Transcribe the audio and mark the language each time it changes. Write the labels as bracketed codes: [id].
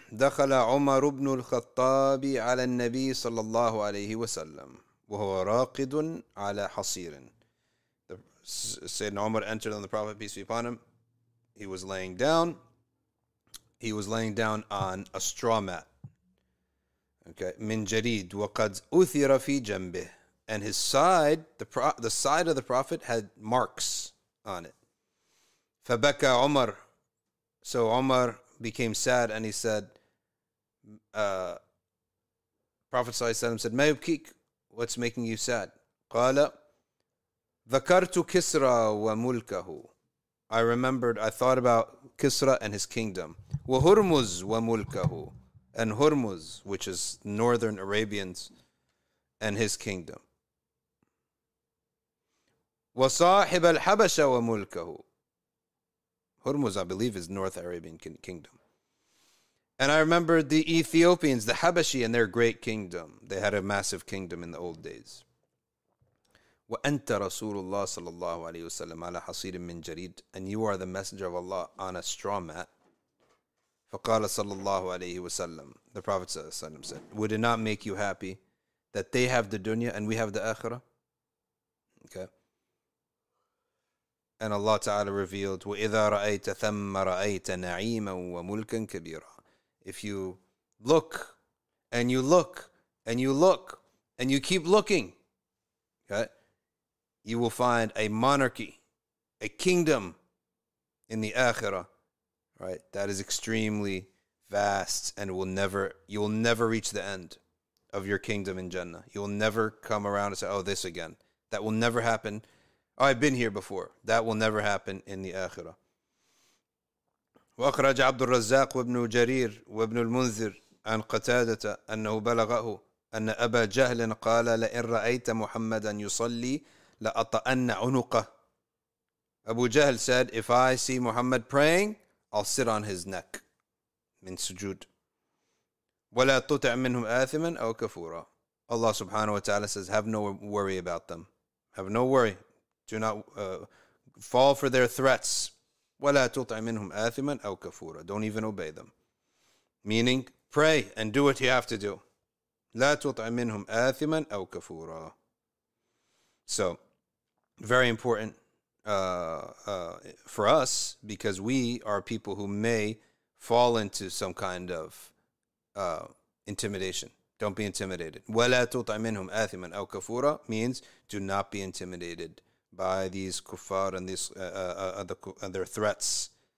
[ar] دخل عمر ابن الخطاب على النبي صلى الله عليه وسلم وهو راقد على حصير. [en] Sayyidina Umar entered on the Prophet, peace be upon him. He was laying down. He was laying down on a straw mat. Okay. [ar] من جديد وقد أثر في جنبه. [en] And his side, the side of the Prophet had marks on it. [ar] فبكى عمر. [en] So Umar became sad and he said, Prophet sallallahu alaihi wasallam said, [ar] ما يبكيك? [en] What's making you sad? [ar] قال ذكرت كسرى وملكه. [en] I remembered, I thought about Kisra and his kingdom. [ar] وهرمز وملكه. [en] And Hormuz, which is northern Arabians, and his kingdom. [ar] وصاحب الحبشة وملكه. [en] Hormuz, I believe, is North Arabian kingdom. And I remember the Ethiopians, the Habashi, and their great kingdom. They had a massive kingdom in the old days. [ar] وأنت رسول الله صلى الله عليه وسلم على حصير من جريد. [en] And you are the messenger of Allah on a straw mat. [ar] فقال صلى الله عليه وسلم. [en] The Prophet [ar] صلى الله عليه وسلم [en] said, would it not make you happy that they have the dunya and we have the akhirah? Okay. And Allah Ta'ala revealed, [ar] وَإِذَا رَأَيْتَ ثَمَّ رَأَيْتَ نَعِيمًا وَمُلْكًا كَبِيرًا. [en] If you look, and you look, and you look, and you keep looking, okay, you will find a monarchy, a kingdom in the akhirah, right? That is extremely vast and will never, you will never reach the end of your kingdom in Jannah. You will never come around and say, oh, this again. That will never happen. Oh, I've been here before. That will never happen in the akhirah. [ar] وأخرج عبد الرزاق وابن جرير وابن المنذر عن قتادة أنه بلغه أن أبا جهل قال لئن رأيت محمدا يصلي لأطأن عنقه. [en] أبو جهل said, if I see Muhammad praying, I'll sit on his neck. [ar] من سجود. ولا تطع منهم آثما أو كفورا. [en] Allah subhanahu wa ta'ala says, have no worry about them. Have no worry. Do not fall for their threats. [ar] ولا تطع منهم آثما أو كفورا. [en] Don't even obey them. Meaning, pray and do what you have to do. [ar] لا تطع منهم آثما أو كفورا. [en] So, very important for us, because we are people who may fall into some kind of intimidation. Don't be intimidated. [ar] ولا تطع منهم آثما أو كفورا [en] means do not be intimidated by these kuffar and these and their threats.